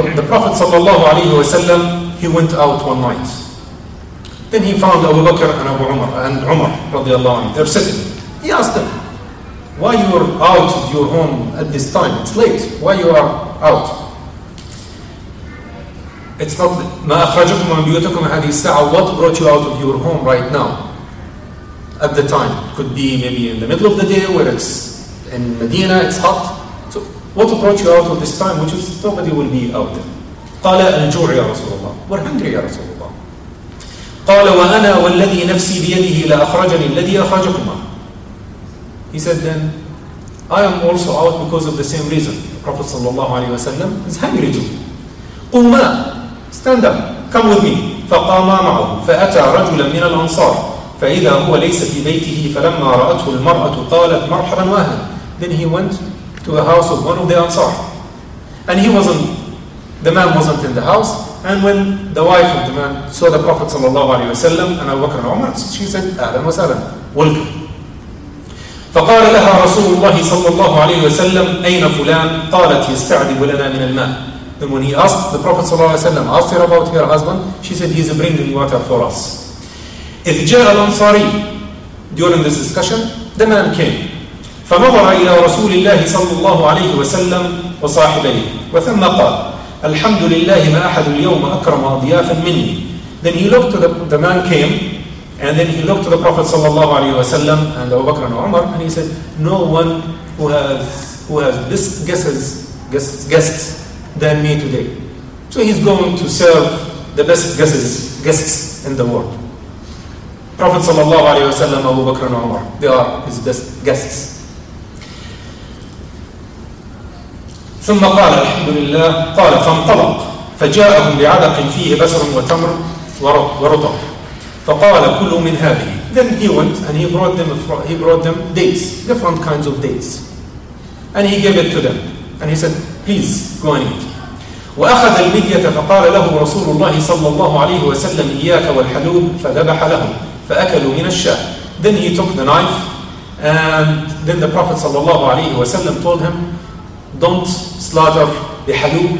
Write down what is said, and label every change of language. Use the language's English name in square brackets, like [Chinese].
[English] The Prophet [Arabic] صلى الله عليه وسلم, [English] he went out one night. Then he found Abu Bakr and Abu Umar, and Umar [Arabic] رضي الله عنه, [English] they're sitting. He asked them, why you are out of your home at this time? It's late. Why you are out? It's not [Arabic] ما أخرجكم من بيوتكم هذه الساعة. [English] What brought you out of your home right now? At the time, it could be maybe in the middle of the day where it's in Medina, it's hot. So what brought you out of this time, which is nobody will be out there? [Arabic] قال الجوع يا رسول الله. [English] We're hungry [Arabic] يا رسول الله. قال وأنا والذي نفسي بيده لا أخرجني الذي أخرجكما. [English] He said then, I am also out because of the same reason. The Prophet sallallahu alayhi wa sallam is hungry too. قُمَا, stand up, come with me. [Arabic] فَقَامَا مَعُهُ فَأَتَى رَجُلًا مِنَ الْأَنصَارِ فَإِذَا هُوَ لَيْسَ فِي بَيْتِهِ فَلَمَّا رَأَتْهُ الْمَرْأَةُ قَالَتْ مَرْحَبًا وَاهْلًا. [English] Then he went to the house of one of the Ansar. And the man wasn't in the house. And when the wife of the man saw the Prophet sallallahu alayhi wa sallam and Abu Bakr Umar, she said, [Arabic] أَهْلًا وَسَلَمْ, [English] welcome. [Arabic] فقال لها رسول الله صلى الله عليه وسلم أين فلان قالت يستعذب لنا من الماء. [English] Then when he asked the Prophet [Arabic] صلى الله عليه وسلم, [English] asked her about her husband, she said he's bringing water for us. [Arabic] إذ جاء الأنصاري. [English] During this discussion, the man came. [Arabic] فنظر إلى رسول الله صلى الله عليه وسلم وصاحبيه وثم قال الحمد لله ما أحد اليوم أكرم أضيافا مني. [English] Then he looked to the man came. And then he looked to the Prophet sallallahu alayhi wa sallam and Abu Bakr and Umar, and he said, no one who has this guests than me today. So he's going to serve the best guests in the world. Prophet sallallahu alayhi wa sallam, Abu Bakr and Umar, they are his best guests. [Arabic] ثم قال الحمد لله قال فانطلق فجاءهم بعلق فيه بسر وتمر ورطب. فقال كل من هذه. [English] Then he went and he brought them dates, different kinds of dates, and he gave it to them, and he said, please go and eat. [Arabic] وأخذ المدية فقال له رسول الله صلى الله عليه وسلم إياك والحلوب فذبح لهم فأكلوا من الشاة. [English] Then he took the knife and then the Prophet [Arabic] صلى الله عليه وسلم [English] told him, don't slaughter the halub.